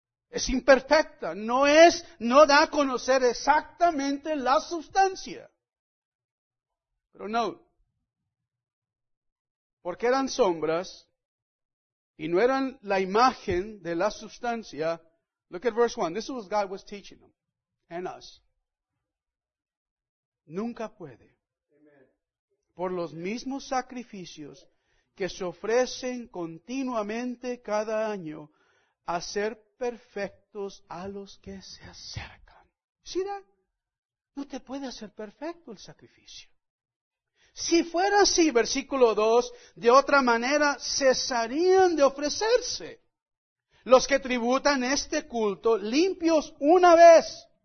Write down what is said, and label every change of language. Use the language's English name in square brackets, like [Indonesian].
[Spanish] Es imperfecta. No da a conocer exactamente la sustancia. Pero no. Porque eran sombras y no eran la imagen de la sustancia. [English] Look at verse 1. This is what God was teaching them and us. [Spanish] Nunca puede, por los mismos sacrificios que se ofrecen continuamente cada año, hacer perfectos a los que se acercan. ¿Sí, Dad? No te puede hacer perfecto el sacrificio. Si fuera así, versículo 2, de otra manera cesarían de ofrecerse los que tributan este culto limpios una vez.